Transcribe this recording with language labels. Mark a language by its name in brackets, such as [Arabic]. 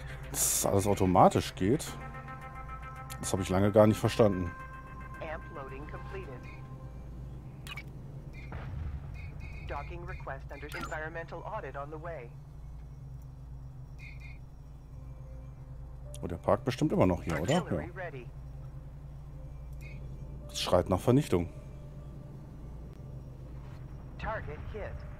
[German] Dass alles automatisch geht, das habe ich lange gar nicht verstanden. [English] Amp Loading completed. Docking request under environmental audit on the way. [German] Oh, der parkt bestimmt immer noch hier, oder? Ja. Das schreit nach Vernichtung. [English] Target hit.